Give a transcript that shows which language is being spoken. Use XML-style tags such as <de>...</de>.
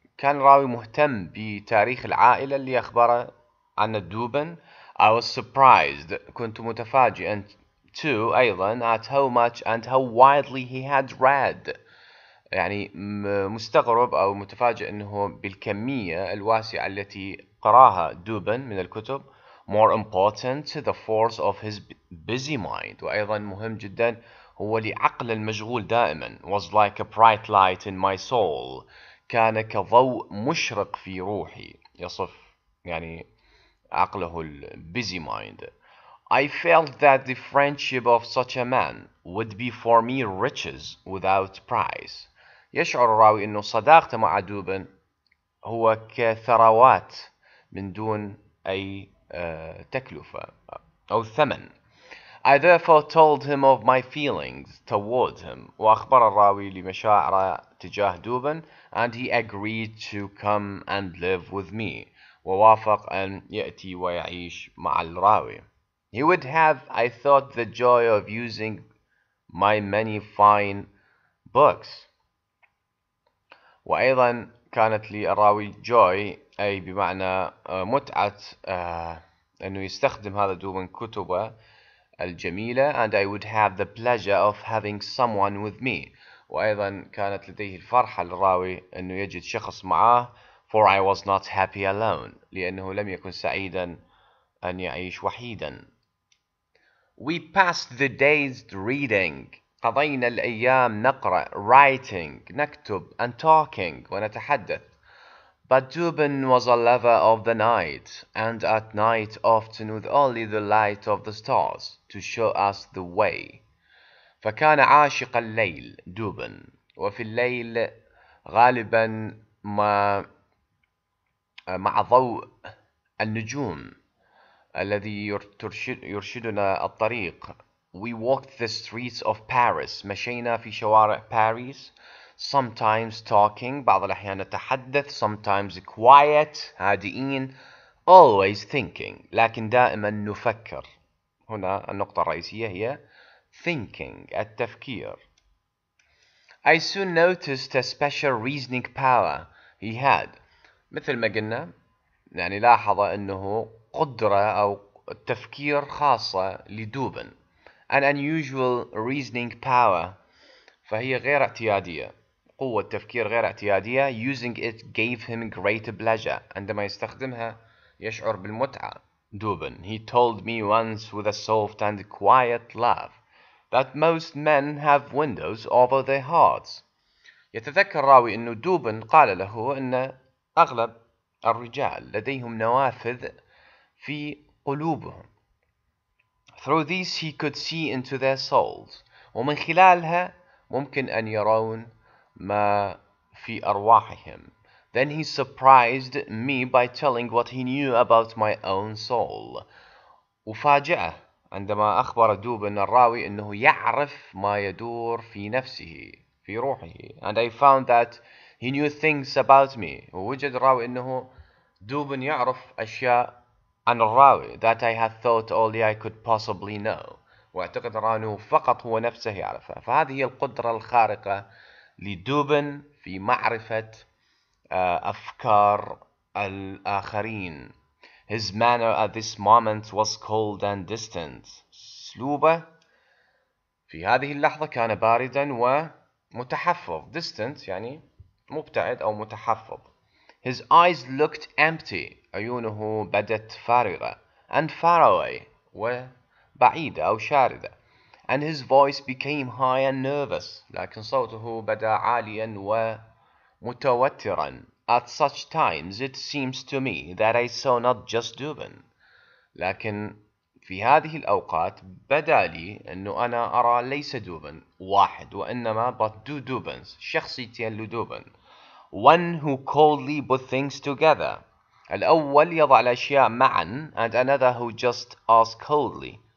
<ar>كان راوي مهتم بتاريخ العائلة اللي أخبره عن دوبن.</ar> <en>I was surprised.</en> <ar>كنت متفاجئا</ar> <en>too</en> <ar>أيضا</ar> <en>at how much and how widely he had read.</en> <ar>يعني مستغرب أو متفاجئ أنه بالكمية الواسعة التي قراها دوبن من الكتب.</ar> <en>More important the force of his busy mind.</en> <ar>وأيضا مهم جدا هو لعقل المشغول دائما.</ar> <en>Was like a bright light in my soul.</en> <ar>كان كضوء مشرق في روحي. يصف يعني عقله الـ</ar> <en>busy mind. I felt that the friendship of such a man would be for me riches without price.</en> <ar>يشعر الراوي أنه صداقته مع دوبن هو كثروات من دون أي تكلفة أو ثمن.</ar> <en>I therefore told him of my feelings toward him.</en> <ar>وأخبر الراوي لمشاعره تجاه دوبن.</ar> <en>And he agreed to come and live with me.</en> <ar>ووافق أن يأتي ويعيش مع الراوي.</ar> <en>He would have, I thought, the joy of using my many fine books.</en> <ar>وأيضا كانت لي الراوي joy, أي بمعنى متعة أنه يستخدم هذا دوبن كتبه الجميلة.</ar> <en>And I would have the pleasure of having someone with me.</en> <ar>وأيضا كانت لديه الفرحة للراوي أنه يجد شخص معاه.</ar> <en>For I was not happy alone.</en> <ar>لأنه لم يكن سعيدا أن يعيش وحيدا.</ar> <en>We passed the days reading.</en> <ar>قضينا الأيام نقرأ.</ar> <en>Writing.</en> <ar>نكتب.</ar> <en>And talking.</en> <ar>ونتحدث.</ar> <en>But Dubin was a lover of the night, and at night often with only the light of the stars to show us the way.</en> <ar>فكان عاشق الليل دوبن, وفي الليل غالبا ما مع ضوء النجوم الذي يرشدنا الطريق.</ar> <en>We walked the streets of Paris.</en> <ar>مشينا في شوارع باريس.</ar> <en>Sometimes talking,</en> <ar>بعض الأحيان نتحدث.</ar> <en>Sometimes quiet,</en> <ar>هادئين.</ar> <en>Always thinking,</en> <ar>لكن دائما نفكر. هنا النقطة الرئيسية هي thinking, التفكير.</ar> <en>I soon noticed a special reasoning power he had.</en> <ar>مثل ما قلنا, يعني لاحظ أنه قدرة أو تفكير خاصة لدوبن.</ar> <en>An unusual reasoning power,</en> <ar>فهي غير اعتيادية. قوة تفكير غير اعتيادية.</ar> <en>Using it gave him great pleasure.</en> <ar>عندما يستخدمها يشعر بالمتعة دوبن.</ar> <en>He told me once with a soft and quiet laugh that most men have windows over their hearts.</en> <ar>يتذكر راوي أن دوبن قال له أن أغلب الرجال لديهم نوافذ في قلوبهم.</ar> <en>Through these he could see into their souls.</en> <ar>ومن خلالها ممكن أن يرون ما في أرواحهم.</ar> <en>Then he surprised me by telling what he knew about my own soul.</en> <ar>وفاجأه عندما أخبر دوبن الراوي أنه يعرف ما يدور في نفسه في روحه.</ar> <en>And I found that he knew things about me.</en> <ar>ووجد الراوي أنه دوبن يعرف أشياء عن الراوي.</ar> <en>That I had thought only I could possibly know.</en> <ar>واعتقد الراوي أنه فقط هو نفسه يعرفه. فهذه القدرة الخارقة لدوبن في معرفة أفكار الآخرين.</ar> <en>His manner at this moment was cold and distant.</en> <ar>أسلوبه في هذه اللحظة كان باردا ومتحفظ. Distant يعني مبتعد أو متحفظ.</ar> <en>His eyes looked empty.</en> <ar>عيونه بدت فارغة.</ar> <en>And far away.</en> <ar>وبعيدة أو شاردة.</ar> <en>And his voice became high and nervous.</en> <ar>لكن صوته بدا عاليا ومتوترا.</ar> <en>At such times it seems to me that I saw not just Dubin.</en> <ar>لكن في هذه الأوقات بدا لي أنه أنا أرى ليس دوبن واحد وإنما</ar> <en>but two Dubins.</en> <ar>شخصيتين لدوبن.</ar> <en>One who coldly put things together.</en> <ar>الأول يضع الأشياء معا.</ar> <en>And another who just asked coldly.</en>